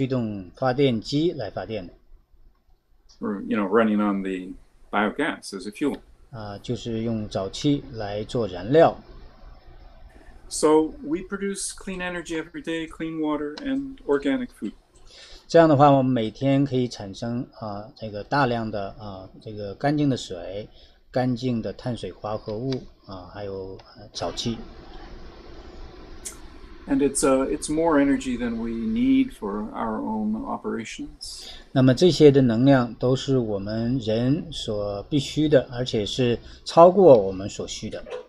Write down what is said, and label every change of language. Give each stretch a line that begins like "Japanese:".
Chinese: 那如果你不用燃料电池，你是可以用沼气还是驱动发电机来发电的。
English: You know, running on the biogas as a fuel.
Chinese: 就是用沼气来做燃料。
English: So we produce clean energy every day, clean water, and organic food.
Chinese: 这样的话，我们每天可以产生大量的干净的水、干净的碳水化合物，还有沼气。
English: And it's more energy than we need for our own operations.
Chinese: 那么这些的能量都是我们人所必须的，而且是超过我们所需的。